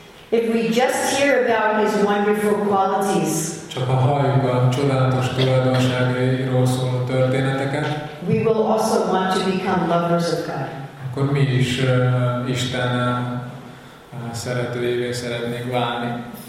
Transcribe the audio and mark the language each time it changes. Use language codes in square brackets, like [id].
[en] If we just hear about his wonderful qualities, [hu] csak ha halljuk a csodálatos tulajdonságairól szóló történeteket, [en] we will also want to become lovers of God. [hu] Akkor mi is Isten szeretőjévé szeretnénk válni.